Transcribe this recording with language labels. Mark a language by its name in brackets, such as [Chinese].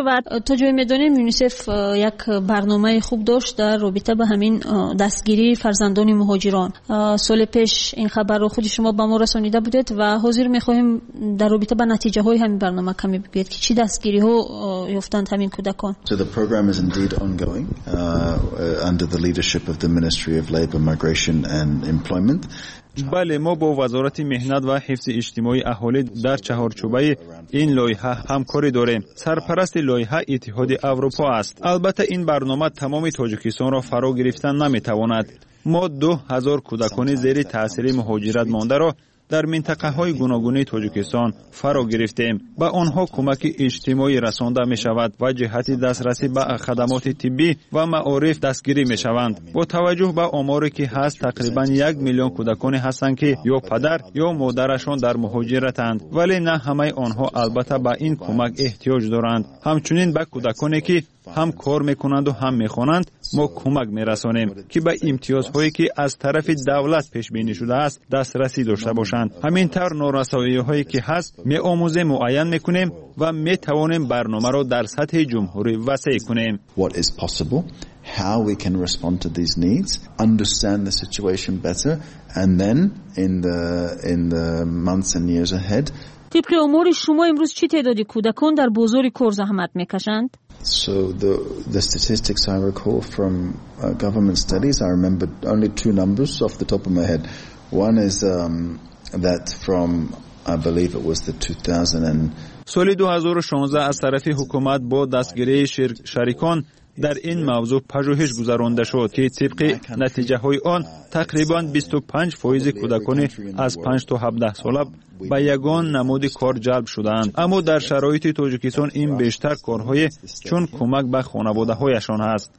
[Persian] و تا جایی می دانیم یونیسف یک برنامه خوب داشت در رابطه به همین دستگیری فرزندان مهاجران. سال پیش این خبر رو خود شما به ما رسانیده بودید و حاضر می خواهیم در رابطه به نتیجه های همین برنامه کمی بگید که چی دستگیری ها یافتند همین کودکان. [English] So the program is indeed ongoing under the leadership of the Ministry of Labor, Migration and Employment. [Persian] بله، ما با وزارت مهنت و حفظ اجتماعی اهالی در چهارچوبه این لایحه همکاری داریم. سرپرست لایحه اتحاد اروپا است. البته این برنامه تمام تاجیکستان را فرا گرفتن نمی تواند. ما 2000 کودکان زیر تاثیر مهاجرت مانده را در منطقه های گوناگون تاجیکستان فرا گرفتیم و آنها کمک اجتماعی رسانده می شود و جهت دسترسی به خدمات طبی و معارف دستگیری می شوند. با توجه به آماری که هست تقریبا 1 میلیون کودکان هستند که یا پدر یا مادرشان در مهاجرتند، ولی نه همه آنها البته به این کمک احتیاج دارند. همچنین به کودکانی که هم کار میکنند و هم میخوانند ما کمک میرسانیم که به امتیازهایی که از طرف دولت پیش بینی شده است دسترسی داشته باشند. همین طور نورسایی هایی که هست میآموزیم، معین میکنیم و میتوانیم برنامه را در سطح جمهوری وسیع کنیم. [English] What is possible, how we can respond to these needs, understand the situation better, and then in the months and years ahead. [Persian] طبق امور شما امروز چه تعدادی کودکان در بازار کار زحمت میکشند؟ [English] So the statistics I recall from government studies, I remember only two numbers off the top of my head. One is that from, I believe it was the 2000. [Persian] سالی 2016 از طرف حکومت با دستگیری شریکان در این موضوع پژوهش گذرانده شد که طبق نتیجه های آن تقریبا 25% کودکان از 5 تا 17 ساله به یگان نمود کار جلب شدند. اما در شرایط تاجیکستان این بیشتر کارهای چون کمک به خانواده هایشان است.